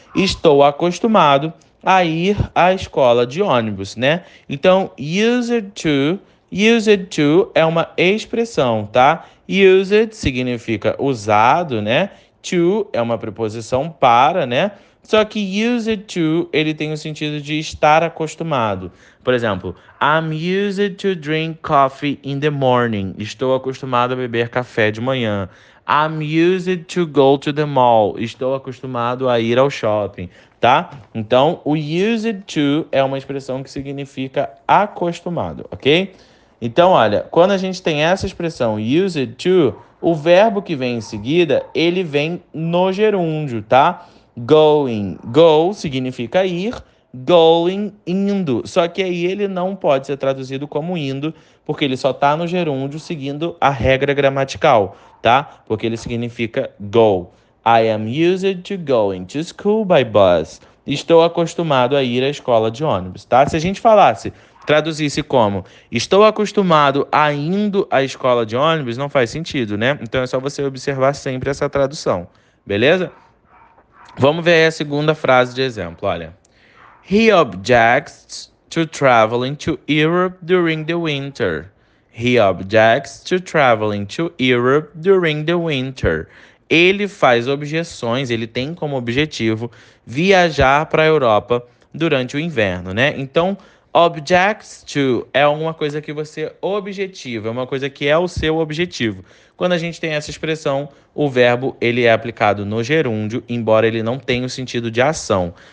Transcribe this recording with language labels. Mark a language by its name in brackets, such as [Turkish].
[Portuguese] Estou acostumado a ir à escola de ônibus, né? Então, used to é uma expressão, tá? Used significa usado, né? To é uma preposição para, né? Só que used to, ele tem o sentido de estar acostumado. Por exemplo, [English] I'm used to drink coffee in the morning. [Portuguese] Estou acostumado a beber café de manhã. [English] I'm used to go to the mall. [Portuguese] Estou acostumado a ir ao shopping, tá? Então, o used to é uma expressão que significa acostumado, ok? Então, olha, quando a gente tem essa expressão used to, o verbo que vem em seguida, ele vem no gerúndio, tá? Going, go significa ir, going, indo. Só que aí ele não pode ser traduzido como indo, porque ele só está no gerúndio seguindo a regra gramatical, tá? Porque ele significa go. [English] I am used to going to school by bus. [Portuguese] Estou acostumado a ir à escola de ônibus, tá? Se a gente falasse, traduzisse como estou acostumado a indo à escola de ônibus, não faz sentido, né? Então é só você observar sempre essa tradução, beleza? Vamos ver aí a segunda frase de exemplo, olha. [English] He objects to traveling to Europe during the winter. He objects to traveling to Europe during the winter. [Portuguese] Ele faz objeções, ele tem como objetivo viajar para a Europa durante o inverno, né? Então, objects to é uma coisa que você objetiva, é uma coisa que é o seu objetivo. Quando a gente tem essa expressão, o verbo ele é aplicado no gerúndio, embora ele não tenha o sentido de ação.